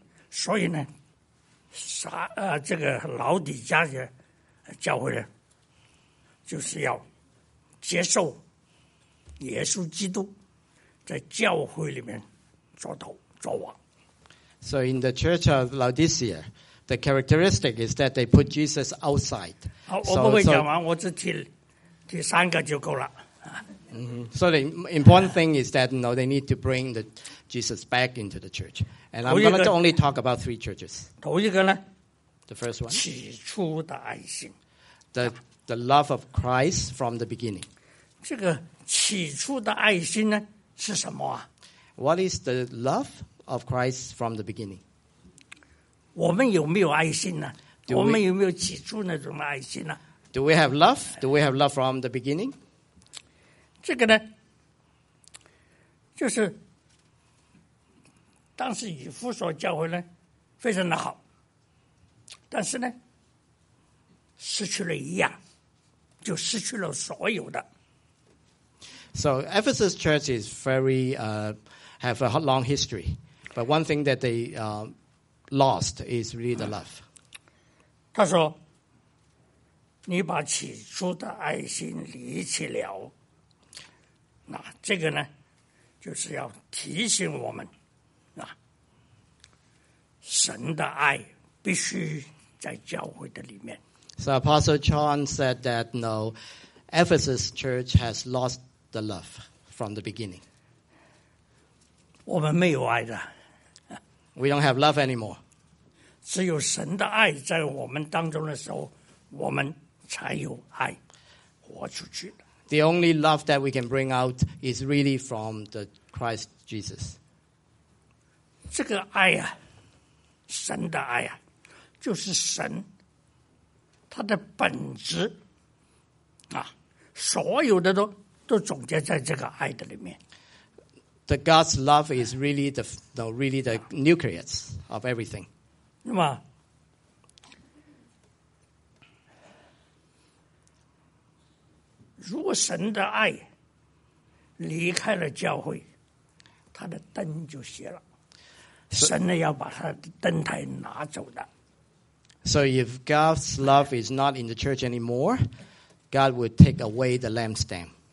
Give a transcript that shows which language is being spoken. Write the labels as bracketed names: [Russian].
[Chinese] 所以呢，这个老底家的教会呢，就是要接受耶稣基督在教会里面做头做王。 [English] So in the Church of Laodicea, the characteristic is that they put Jesus outside. [Chinese] 好，我不会讲完，我只提。第三个就够了。 [English] So the important thing is that you know, they need to bring the Jesus back into the church. And I'm going to only talk about three churches. [Chinese] 头一个呢? [English] The first one. [Chinese] 起初的爱心。 [English] The love of Christ from the beginning. [Chinese] 这个起初的爱心呢,是什么啊? [English] What is the love of Christ from the beginning? [Chinese] 我们有没有爱心呢? 我们有没有起初那种爱心呢? [English] Do we have love? Do we have love from the beginning? [Chinese] 这个呢，就是当时以弗所教会呢非常的好，但是呢失去了一样，就失去了所有的。 [English] So Ephesus Church is very have a long history, but one thing that they lost is really the love. [Chinese] 他说。你把起初的爱心离弃了，那这个呢，就是要提醒我们，啊，神的爱必须在教会的里面。 [English] So Apostle John said that no, Ephesus Church has lost the love from the beginning. [Chinese] 我们没有爱的。 [English] We don't have love anymore. [Chinese] 只有神的爱在我们当中的时候，我们。才有爱活出去。 [English] The only love that we can bring out is really from the Christ Jesus. [Chinese] 这个爱啊，神的爱啊，就是神他的本质啊，所有的都总结在这个爱的里面。 [English] The God's love is really the nucleus of everything. [Chinese] 那么。如果神的爱离开了教会，他的灯就熄了。神呢要把他的灯台拿走的。 [English] So if God's love is not in the church anymore, God would take away the lampstand.